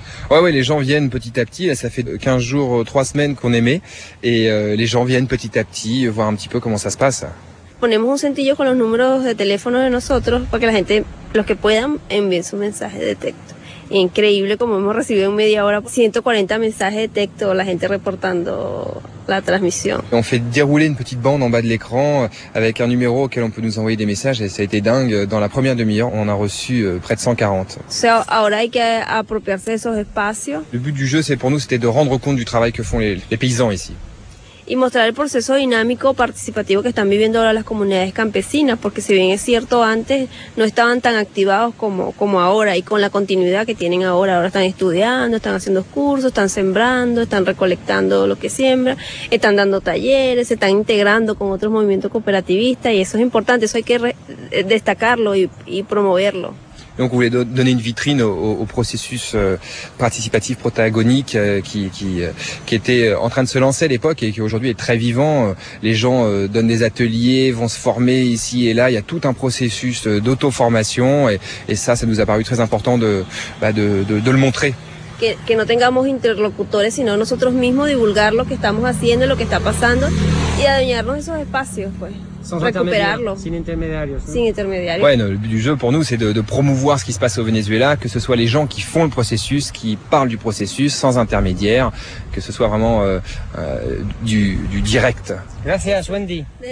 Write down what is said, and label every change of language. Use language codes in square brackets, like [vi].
[fr] Ouais, les gens viennent petit à petit. Là, ça fait 15 jours, 3 semaines qu'on émet et les gens viennent petit à petit voir un petit peu comment ça se passe. [es] Ponemos un centillo con los números de teléfono de nosotros para que la gente, los que puedan, envíen su mensaje de texto. Increíble como hemos recibido en media hora 140 mensajes de texto, la gente reportando la transmisión. [fr] On fait dérouler une petite bande en bas de l'écran avec un numéro auquel on peut nous envoyer des messages et ça a été dingue. Dans la première demi-heure, on a reçu près de 140. [es] So, ahora hay que apropiarse de esos espacios. [fr] Le but du jeu, c'est pour nous, c'était de rendre compte du travail que font les paysans ici. [es] Y mostrar el proceso dinámico participativo que están viviendo ahora las comunidades campesinas, porque si bien es cierto, antes no estaban tan activados como ahora y con la continuidad que tienen ahora. Ahora están estudiando, están haciendo cursos, están sembrando, están recolectando lo que siembra, están dando talleres, se están integrando con otros movimientos cooperativistas y eso es importante, eso hay que destacarlo y promoverlo. [fr] Donc on voulait donner une vitrine au processus participatif protagonique qui était en train de se lancer à l'époque et qui aujourd'hui est très vivant. Les gens donnent des ateliers, vont se former ici et là. Il y a tout un processus d'auto-formation et ça nous a paru très important de le montrer. [es] Que no tengamos interlocutores, sino nosotros mismos divulgar lo que estamos haciendo, lo que está pasando y adueñarnos esos espacios, pues. [fr] Sans intermédiaires. Ouais, non, le but du jeu pour nous, c'est de promouvoir ce qui se passe au Venezuela, que ce soit les gens qui font le processus, qui parlent du processus, sans intermédiaire, que ce soit vraiment du direct. [es] Gracias, Wendy.